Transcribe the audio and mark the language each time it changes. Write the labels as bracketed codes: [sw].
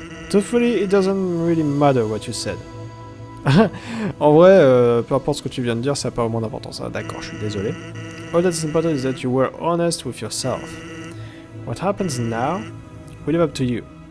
[en] Truthfully, it doesn't really matter what you said. [fr] En vrai, peu importe ce que tu viens de dire, ça n'a pas vraiment d'importance. Hein. D'accord, je suis désolé. [en] All that's important is that you were honest with yourself. What happens now, we live up to you.